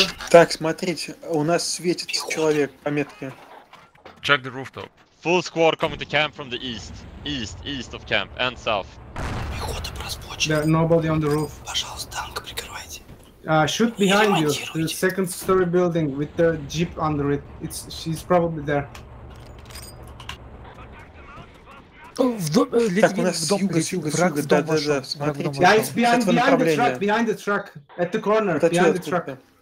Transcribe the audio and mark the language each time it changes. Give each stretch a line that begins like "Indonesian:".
Russian: Так, смотрите, у нас светит человек по метке.
English: Check the rooftop. Full squad coming to camp from the east. East of camp and south.
Russian: Пехота просплочена.
English: There's nobody on the roof.
Russian: Пожалуйста, танк прикрывайте.
English: Shoot behind you. The second story building with the jeep under it. She's probably there.
Russian: В доме, Литвин, в дом, враг в дом вошёл.
English: Guys, behind the truck, at the corner, behind the truck.